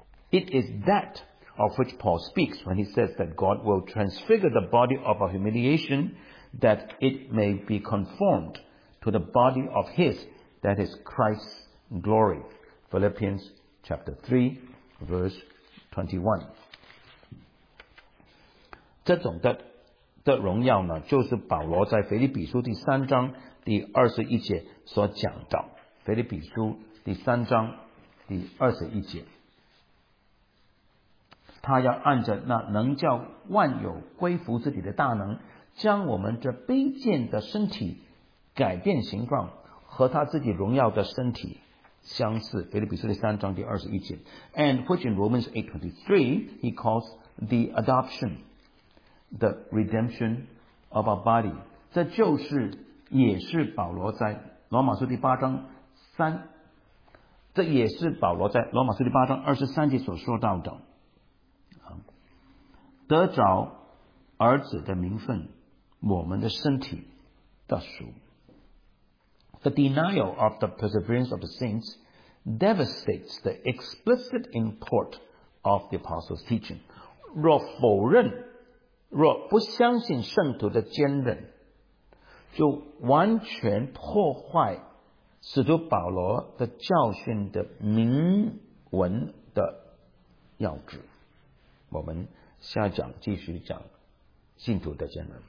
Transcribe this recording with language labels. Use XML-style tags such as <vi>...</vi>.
<en>It is that of which Paul speaks when he says that God will transfigure the body of our humiliation that it may be conformed to the body of His, that is Christ's glory. Philippians chapter 3 verse 21.</en> <zh>这种 的荣耀呢，就是保罗在腓立比书第三章第二十一节所讲到。腓立比书第三章第二十一节，他要按着那能叫万有归服之体的大能，将我们这卑贱的身体改变形状，和他自己荣耀的身体相似。腓立比书第三章第二十一节。</zh> <en>And which in Romans 8:23 he calls the adoption. The redemption of our body.</en> <zh>这就是也是保罗在罗马书第八章三，这也是保罗在罗马书第八章二十三节所说到的，得着儿子的名分，我们的身体的属。</zh> <en>The denial of the perseverance of the saints devastates the explicit import of the apostles' teaching.</en> <zh>若否认，若不相信圣徒的坚韧，就完全破坏使徒保罗的教训的明文的要旨。我们下讲继续讲信徒的坚韧。</zh>